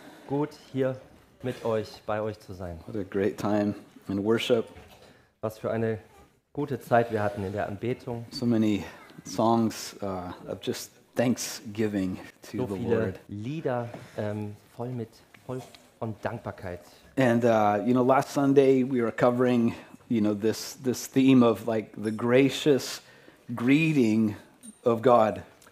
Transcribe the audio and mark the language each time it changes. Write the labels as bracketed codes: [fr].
[de] Gut, hier mit euch, bei euch zu sein. [en] What a great time in worship. [de] Was für eine gute Zeit wir hatten in der Anbetung. [en] So many songs of just thanksgiving to so the Lord. So [de] viele Lieder voll von Dankbarkeit. [en] And, you know, last Sunday we were covering, you know, this theme of like the gracious greeting of God.